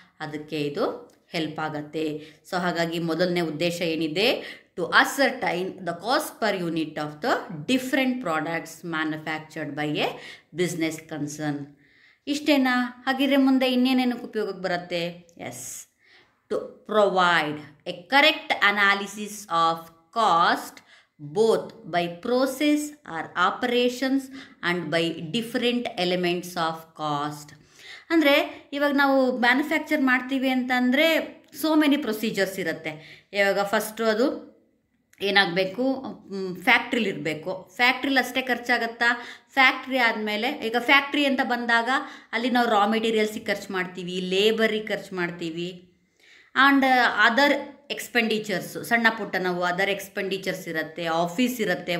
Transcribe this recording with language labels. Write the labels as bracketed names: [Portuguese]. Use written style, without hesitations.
[Kannada] ಅದಕ್ಕೆ ಇದು ಹೆಲ್ಪ್ ಆಗತ್ತೆ. ಸೊ ಹಾಗಾಗಿ ಮೊದಲನೇ ಉದ್ದೇಶ ಏನಿದೆ, [English] To ascertain the cost per unit of the different products manufactured by a business concern. [Kannada] ಇಷ್ಟೇನಾ? ಹಾಗಿದ್ರೆ ಮುಂದೆ ಇನ್ನೇನೇನಕ್ಕೆ ಉಪಯೋಗಕ್ಕೆ ಬರುತ್ತೆ? [English] Yes, to provide a correct analysis of cost both by process or operations and by different elements of cost. [Kannada] ಅಂದರೆ ಇವಾಗ ನಾವು manufacture ಮಾಡ್ತೀವಿ ಅಂತಂದರೆ [English] so many procedures [Kannada] ಇರುತ್ತೆ. ಇವಾಗ ಫಸ್ಟು ಅದು ಏನಾಗಬೇಕು, ಫ್ಯಾಕ್ಟ್ರಿಲಿ ಇರಬೇಕು. ಫ್ಯಾಕ್ಟ್ರಿಲಿ ಅಷ್ಟೇ ಖರ್ಚಾಗತ್ತಾ? ಫ್ಯಾಕ್ಟ್ರಿ ಆದಮೇಲೆ ಈಗ ಫ್ಯಾಕ್ಟ್ರಿ ಅಂತ ಬಂದಾಗ ಅಲ್ಲಿ ನಾವು ರಾ ಮೆಟೀರಿಯಲ್ಸಿಗೆ ಖರ್ಚು ಮಾಡ್ತೀವಿ, ಲೇಬರಿಗೆ ಖರ್ಚು ಮಾಡ್ತೀವಿ, ಆ್ಯಂಡ್ ಅದರ್ ಎಕ್ಸ್ಪೆಂಡಿಚರ್ಸು ಸಣ್ಣ ಪುಟ್ಟ ನಾವು ಅದರ್ ಎಕ್ಸ್ಪೆಂಡಿಚರ್ಸ್ ಇರುತ್ತೆ. ಆಫೀಸ್ ಇರುತ್ತೆ.